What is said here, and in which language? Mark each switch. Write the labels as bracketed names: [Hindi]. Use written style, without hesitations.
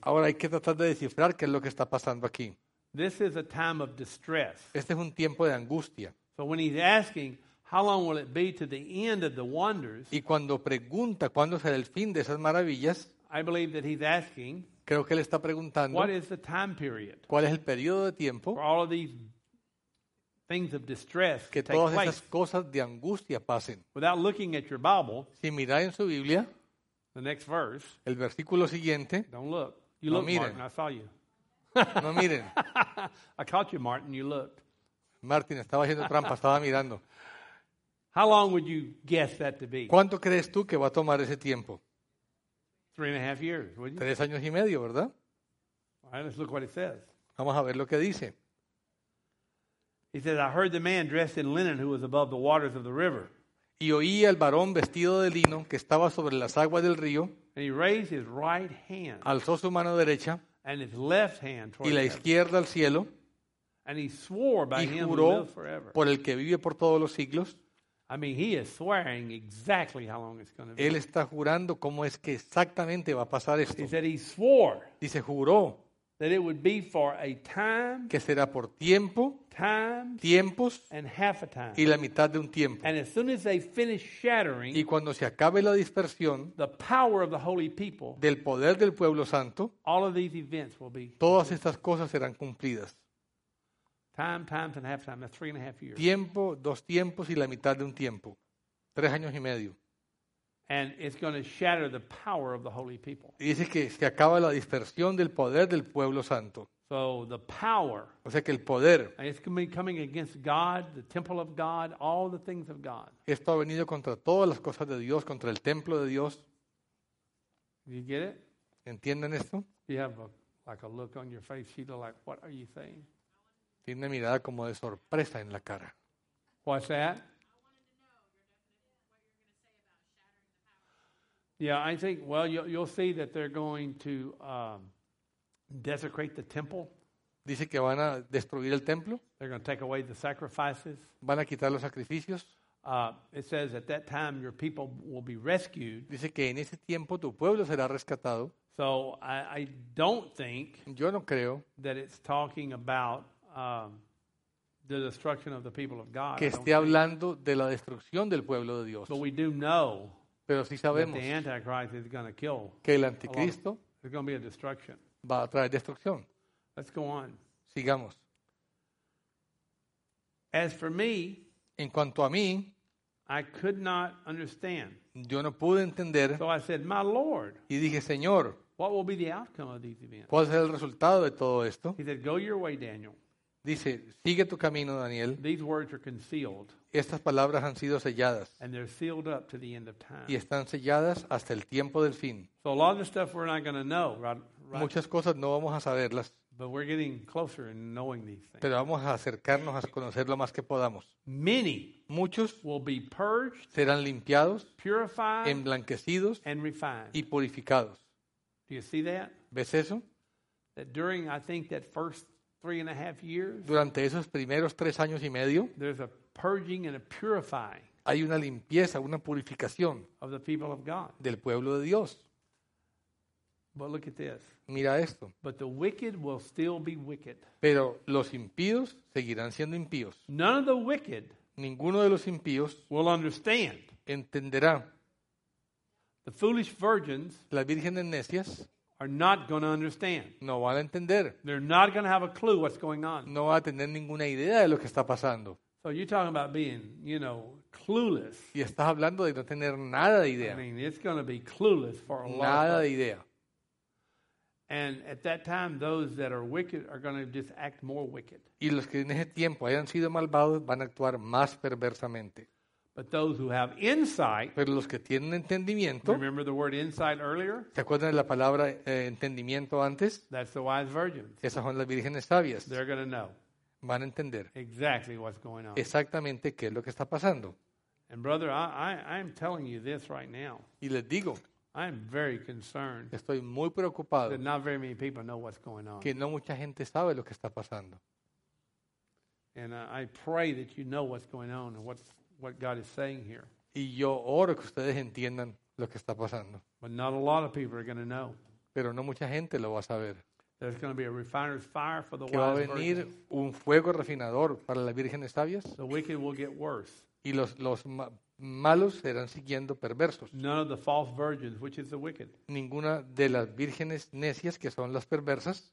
[Spanish] Ahora hay que tratar de descifrar qué es lo que está pasando aquí. [English] This is a time of distress. [Spanish] Este es un tiempo de angustia. [English] So when he's asking, how long will it be to the end of the wonders? [Spanish] Y cuando pregunta cuándo será el fin de esas maravillas, [English] I believe that he's asking, [Spanish] creo que él está preguntando, [English] what is the time period? [Spanish] ¿Cuál es el periodo de tiempo? [English] For all of these things of distress [Spanish] que [English] to take place. [Spanish] Que todas esas cosas de angustia pasen. [English] Without looking at your Bible, [Spanish] si mirar en su Biblia, [English] the next verse, [Spanish] el versículo siguiente, [English] don't look. You [Spanish] no [English] look, [Spanish] miren. [English] Martin, I saw you. [Spanish] No miren. [English] I caught you, Martin, you looked. [Spanish] Martin, estaba haciendo trampa, estaba mirando. [English] How long would you guess that to be? [Spanish] ¿Cuánto crees tú que va a tomar ese tiempo? [English] 3.5 years, wouldn't you? [Spanish] 3 años y medio, ¿verdad? [English] All right, let's look what it says. [Spanish] Vamos a ver lo que dice. [English] He says, I heard the man dressed in linen who was above the waters of the river. [Spanish] Y oí al varón vestido de lino que estaba sobre las aguas del río. [English] And he raised his right hand. [Spanish] Alzó su mano derecha. [English] And his left hand toward [Spanish] y la izquierda [English] heaven. [Spanish] Al cielo. [English] And he swore by [Spanish] y [English] him [Spanish] juró [English] who lives forever. [Spanish] Por el que vive por todos los siglos. [English] I mean, he is swearing exactly how long it's going to be. [Spanish] Él está jurando cómo es que exactamente va a pasar esto. [English] He said he swore. [Spanish] Dice, juró. [English] That it would be for a time. [Spanish] Que será por tiempo. [English] Times. [Spanish] Tiempos. [English] And half a time. [Spanish] Y la mitad de un tiempo. [English] And as soon as they finish shattering. [Spanish] Y cuando se acabe la dispersión. [English] The power of the holy people. [Spanish] Del poder del pueblo santo. [English] All of these events will be. [Spanish] Todas estas cosas serán cumplidas. [English] Time, times, and half time. That's 3.5 years. [Spanish] Tiempo, dos tiempos y la mitad de un tiempo. 3 años y medio. [English] And it's going to shatter the power of the holy people. [Spanish] Dice que se acaba la dispersión del poder del pueblo santo. [English] So the power. [Spanish] O sea que el poder. [English] And it's going to be coming against God, the temple of God, all the things of God. [Spanish] Esto ha venido contra todas las cosas de Dios, contra el templo de Dios. [English] You get it? [Spanish] ¿Entienden esto? [English] You have a look on your face, Sheila, like, what are you saying? [Spanish] Tiene una mirada como de sorpresa en la cara. [English] What's that? Yeah, I think, well, you'll see that they're going to desecrate the temple. [Spanish] Dice que van a destruir el templo. [English] They're going to take away the sacrifices. [Spanish] Van a quitar los sacrificios. [English] It says at that time your people will be rescued. [Spanish] Dice que en ese tiempo tu pueblo será rescatado. [English] So I don't think [Spanish] yo no creo [English] that it's talking about the destruction of the people of God. [Spanish] Que esté hablando de la destrucción del pueblo de Dios. [English] But we do know [Spanish] pero sí sabemos [English] that the Antichrist is going to kill. [Spanish] Que el anticristo [English] is going to be a destruction. [Spanish] Va a traer destrucción. [English] Let's go on. [Spanish] Sigamos. [English] As for me, [Spanish] en cuanto a mí, [English] I could not understand. [Spanish] Yo no pude entender. [English] So I said, "My Lord." [Spanish] Y dije, "Señor." [English] What will be the outcome of these events? [Spanish] ¿Cuál será el resultado de todo esto? [English] He said, "Go your way, Daniel." [Spanish] Dice, "Sigue tu camino, Daniel." [English] These words are concealed. [Spanish] Estas palabras han sido selladas. [English] And they're sealed up to the end of time. [Spanish] Y están selladas hasta el tiempo del fin. [English] So a lot of the stuff we're not going to know, right? [Spanish] Muchas cosas no vamos a saberlas. [English] But we're getting closer in knowing these things. [Spanish] Pero vamos a acercarnos a conocer lo más que podamos. [English] Many [Spanish] muchos [English] will be purged, [Spanish] serán limpiados, [English] purified, [Spanish] emblanquecidos [English] and refined. [Spanish] Y purificados. [English] Do you see that? [Spanish] ¿Ves eso? [English] That during, I think, that first 3.5 years, [Spanish] durante esos primeros 3 años y medio, [English] there's a purging and a purifying [Spanish] hay una limpieza, una purificación [English] of the people of God. [Spanish] Del pueblo de Dios. [English] But look at this. [Spanish] Mira esto. [English] But the wicked will still be wicked. [Spanish] Pero los impíos seguirán siendo impíos. [English] None of the wicked. [Spanish] Ninguno de los impíos [English] will understand. [Spanish] Entenderá. [English] The foolish virgins. [Spanish] Las vírgenes necias [English] are not going to understand. [Spanish] No van a entender. [English] They're not going to have a clue what's going on. [Spanish] No van a tener ninguna idea de lo que está pasando. [English] So you're talking about being, you know, clueless. [Spanish] Y estás hablando de no tener nada de idea. [English] I mean, it's going to be clueless for a long time. [Spanish] Nada de idea. [English] And at that time, those that are wicked are going to just act more wicked. [Spanish] Y los que en ese tiempo hayan sido malvados van a actuar más perversamente. [English] But those who have insight. [Spanish] Pero los que tienen entendimiento. [English] Remember the word insight earlier. [Spanish] ¿Se acuerdan de la palabra entendimiento antes? [English] That's the wise virgins. [Spanish] Esas son las vírgenes sabias. [English] They're going to know. [Spanish] Van a entender. [English] Exactly what's going on. [Spanish] Exactamente qué es lo que está pasando. [English] And brother, I am telling you this right now. [Spanish] Y les digo. [English] I am very concerned. [Spanish] Estoy muy preocupado. [English] That not very many people know what's going on. [Spanish] Que no mucha gente sabe lo que está pasando. [English] And I pray that you know what's going on and what God is saying here. [Spanish] Y yo oro que ustedes entiendan lo que está pasando. [English] But not a lot of people are going to know. [Spanish] Pero no mucha gente lo va a saber. [English] There's going to be a refiner's fire for the wise. [Spanish] Que va a venir un fuego refinador para las vírgenes sabias. [English] The wicked will get worse. [Spanish] Y los malos serán siguiendo perversos. [English] None of the false virgins, which is the wicked. [Spanish] Ninguna de las vírgenes necias, que son las perversas,